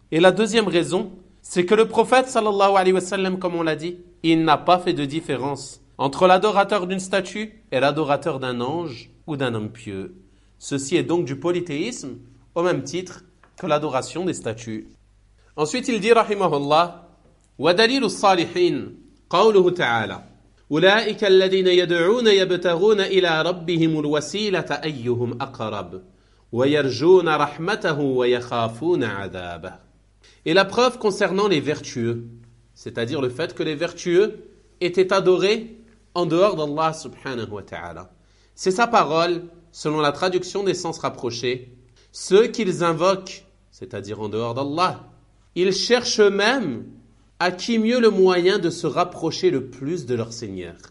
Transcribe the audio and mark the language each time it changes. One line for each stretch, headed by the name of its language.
French: Et la deuxième raison, c'est que le prophète sallallahu alayhi wa sallam, comme on l'a dit, il n'a pas fait de différence entre l'adorateur d'une statue et l'adorateur d'un ange ou d'un homme pieux. Ceci est donc du polythéisme, au même titre que l'adoration des statues. Ensuite, il dit, rahimahullah,
Arabic: ودليل الصالحين قوله تعالى أولئك الذين يدعون يبتغون إلى ربهم الوسيلة أيهم أقرب ويرجون رحمته ويخافون عذابه.
French: Et la preuve concernant les vertueux, c'est-à-dire le fait que les vertueux étaient adorés en dehors d'Allah subhanahu wa ta'ala, c'est sa parole selon la traduction des sens rapprochés: ceux qu'ils invoquent, c'est-à-dire en dehors d'Allah, ils cherchent eux-mêmes à qui mieux le moyen de se rapprocher le plus de leur Seigneur.